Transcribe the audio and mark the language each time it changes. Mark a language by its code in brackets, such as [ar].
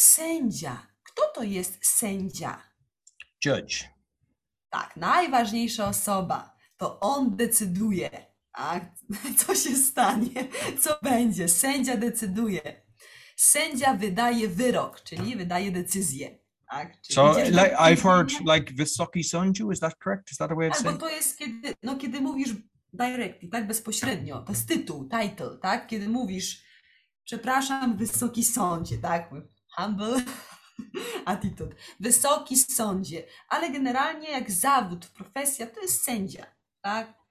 [pl] Sędzia. Kto to jest sędzia? [en] Judge. [pl] Tak, najważniejsza osoba, to on decyduje, tak? Co się stanie, co będzie. Sędzia decyduje. Sędzia wydaje wyrok, czyli wydaje decyzję. Tak? Czyli so, like, decyzję. [en] I've heard, like, [pl] wysoki sądziu, [en] is that correct? Is that a way of [pl] tak, [en] saying? [pl] Bo to jest, kiedy, no, kiedy mówisz directly, tak, bezpośrednio, to jest tytuł, title, tak? Kiedy mówisz, przepraszam, wysoki sądzie, tak? [en] Humble. Attitude. [pl] Wysoki sądzie, ale generalnie jak zawód, profesja, to jest sędzia, tak?